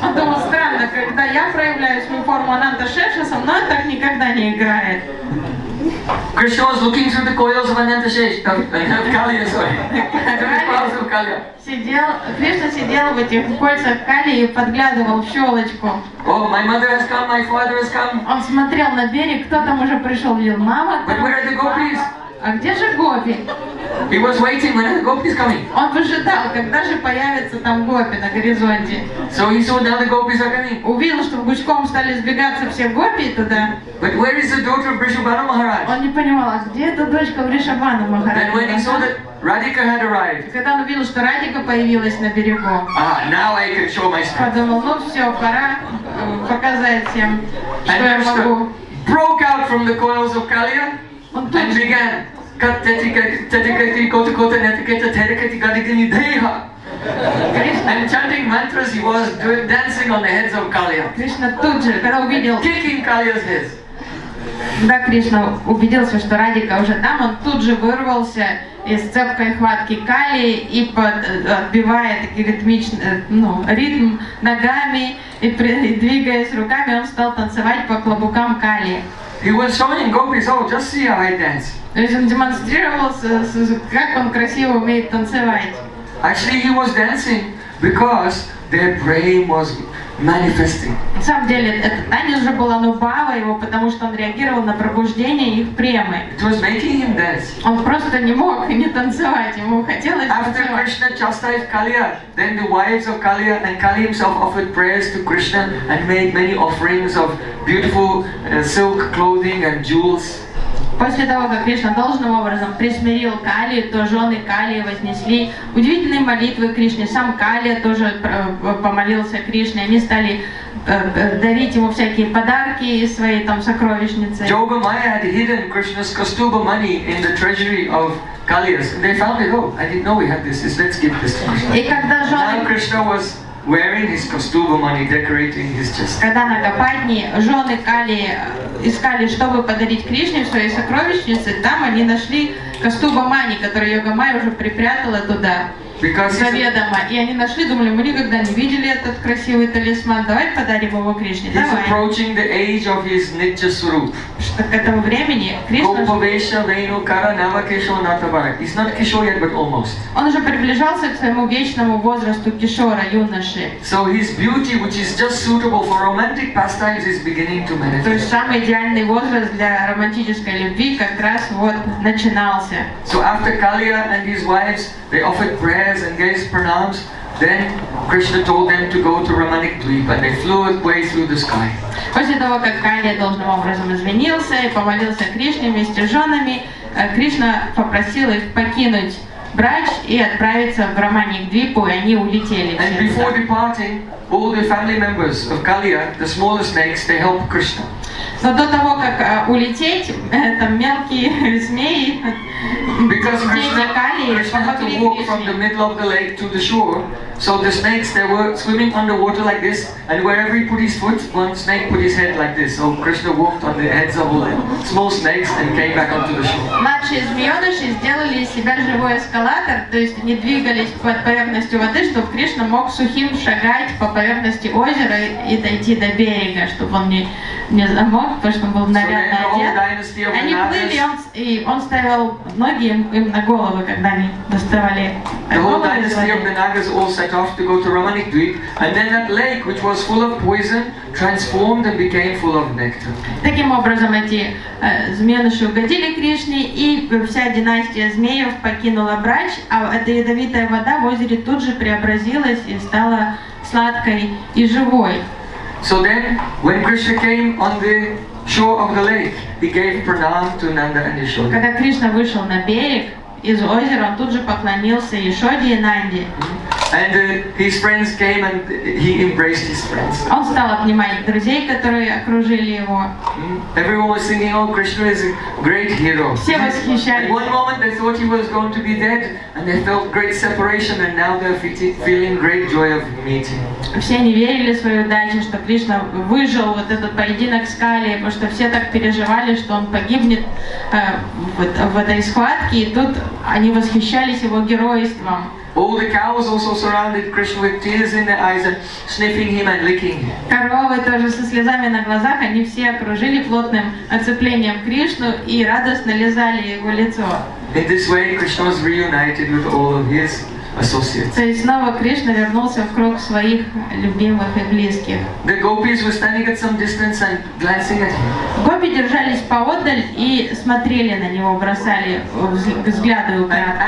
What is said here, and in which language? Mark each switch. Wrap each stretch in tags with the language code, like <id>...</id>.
<ru>Он думал, странно, когда я проявляю свою форму Анантошеша, со мной так никогда не играет.</ru> <en>Krishna was looking through the coils of Anantashesh. No, Kaliya, sorry.</en> <ru>Кришна сидел в этих кольцах Кали и подглядывал в щелочку.</ru> <en>Oh, my mother has come, my father has come.</en> <ru>Он смотрел на берег, кто там уже пришел, видел, мама.</ru> <en>But where are the gopis?</en> <ru>А где же гопи?</ru> <en>He was waiting, when are the gopis coming?</en> <ru>Он выжидал, когда же появятся там гопи на горизонте.</ru> <en>So he saw now the gopis are coming.</en> <ru>Увидел, что гучком стали сбегаться все гопи туда.</ru> <en>But where is the daughter of Vrishabhanu Maharaj?</en> <ru>Он не понимал, а где эта дочка Вришабхану Махараджа?</ru> <en>When he saw that Radhika had arrived.</en> <ru>И когда он увидел, что Радика появилась на берегу.</ru> <en>Now I can show my strength.</en> <ru>Подумал, ну все, пора показать всем, что</ru> <en>And</en> <ru>я</ru> <en>Krishna</en> <ru>могу.</ru> <en>Broke out from the coils of Kaliya. And began cut tetikati kotakota netiketa tetikati gadigini deha. And chanting mantras, he was doing dancing on the heads of Kaliya.</en> <ru>Krishna тут же, когда увидел,</ru> <en>kicking Kaliya's heads.</en> <ru>Да, Кришна убедился, что Радика уже там, он тут же вырвался из цепкой хватки Кали и отбивает ритм ногами и двигаясь руками, он стал танцевать по клобукам Кали.</ru> <en>He was showing gopis, oh, just see how I dance.</en> <ru>То есть он демонстрировал, как он красиво умеет танцевать.</ru> <en>Actually, he was dancing because their brain was manifesting.</en> <ru>На самом деле, этот танец же был анубава его, потому что он реагировал на пробуждение их премы.</ru> <en>It was making him dance.</en> <ru>Он просто не мог не танцевать, ему хотелось</ru> <en>After</en> <ru>танцевать.</ru> <en>After Krishna chastised Kaliya, then the wives of Kaliya and Kali himself offered prayers to Krishna and made many offerings of beautiful silk clothing and jewels.</en> <ru>После того, как Кришна должным образом присмирил Кали, то жены Кали вознесли удивительные молитвы Кришне. Сам Кали тоже помолился Кришне. Они стали дарить ему всякие подарки из своей там сокровищницы.</ru> <en>Yoga Maya had hidden Krishna's Kastuba money in the treasury of Kaliya's. They found it. Oh, I didn't know we had this. Let's give this to Krishna.</en> <ru>И когда жены...</ru> <en>Now Krishna was wearing his Kastuba money, decorating his chest.</en> <ru>Когда на Гопадне жены Кали искали, чтобы подарить Кришне в своей сокровищнице, там они нашли Кастуба Мани, который Йога Майя уже припрятала туда, заведомо. И они нашли, думали, мы никогда не видели этот красивый талисман, давай подарим его Кришне,</ru> <en>He's approaching the age of his Nitya Swarup.</en> <ru>Что к этому времени Кришна...</ru> <en>He's not Kishore yet, but almost.</en> <ru>Он уже приближался к своему вечному возрасту Кишора, юноши.</ru> <en>So his beauty, which is just suitable for romantic pastimes, is beginning to manifest.</en> <ru>То есть самый идеальный возраст для романтической любви как раз вот начинался.</ru> <en>So after Kaliya and his wives, they offered prayers and gave pranams. Then Krishna told them to go to Ramanik Dweep, and they flew away through the sky.</en> <ru>После того, как Кали должным образом извинился и помолился Кришне вместе с женами, Кришна попросил их покинуть Брач и отправиться в Ramanik Dweep, и они улетели.</ru> <en>And before departing, all the family members of Kaliya, the smaller snakes, they helped Krishna.</en> <ru>Но до того, как улететь, там мелкие змеи,</ru> <en>Krishna, Krishna had to walk from the middle of the lake to the shore, so the snakes, they were swimming underwater like this, and wherever he put his foot, one snake put his head like this. So Krishna walked on the heads of all the small snakes and came back onto the shore.</en> <ru>Младшие змеёныши сделали из себя живой эскалатор, то есть они двигались под поверхностью воды, чтобы Кришна мог сухим шагать по поверхности озера и дойти до берега, чтобы он не замок, потому что он был нарядно одет. Они плыли, он ставил ноги им на головы, когда они доставали</ru> <en>The whole dynasty of the Nagas all set off to go to Romanic Dweep, and then that lake, which was full of poison, transformed and became full of nectar.</en> <ru>Таким образом, эти змеи угодили Кришне, и вся династия змеев покинула Брач, а эта ядовитая вода в озере тут же преобразилась и стала сладкой и живой.</ru> <en>So then, when Krishna came on the shore of the lake, he gave pranam to Nanda and Yashoda.</en> <ru>Когда Кришна вышел на берег из озера, он тут же поклонился Яшоде и Нанде.</ru> <en>And his friends came and he embraced his friends.</en> <ru>Он стал обнимать друзей, которые окружили его.</ru> <en>Everyone was thinking, "Oh, Krishna is a great hero."</en> <ru>Все восхищались.</ru> <en>At one moment they thought he was going to be dead, and they felt great separation, and now they're feeling great joy of meeting.</en> <ru>Все не верили своей удаче, что Кришна выжил вот этот поединок с Кали, потому что все так переживали, что он погибнет в этой схватке, и тут они восхищались его геройством.</ru> <en>All the cows also surrounded Krishna with tears in their eyes and sniffing him and licking him.</en> <ru>Коровы тоже со слезами на глазах, они все окружили плотным оцеплением Кришну и радостно лизали его лицо.</ru> <en>In this way, Krishna was reunited with all of his associates.</en> <ru>То есть снова Кришна вернулся в круг своих любимых и близких.</ru> <en>The gopis were standing at some distance and glancing at him.</en> <ru>Гопи держались поодаль и смотрели на него, бросали взгляды украдкой.</ru>